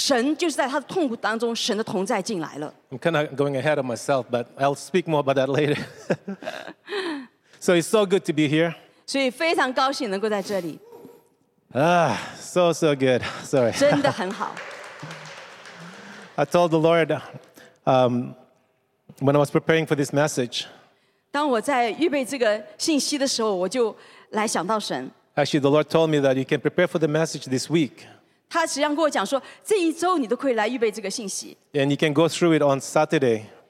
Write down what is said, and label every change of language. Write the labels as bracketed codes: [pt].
[zh] 所以我呢要来这样把它说出来呢，不是为了因着骄傲，而是呢我要来大家知道，在他的痛苦当中，神就是在他的痛苦当中，神的同在进来了。 [en] I'm kind of going ahead of myself, but I'll speak more about that later. So it's so good to be here. [zh] 所以非常高兴能够在这里。 [en] So good. Sorry. [zh] 真的很好。 [en] I told the Lord when I was preparing for this message. [zh] 当我在预备这个信息的时候，我就来想到神。 [en] Actually, the Lord told me that you can prepare for the message this week. [zh] 他实际上跟我讲说，这一周你都可以来预备这个信息。 [en] And you can go through it on Saturday.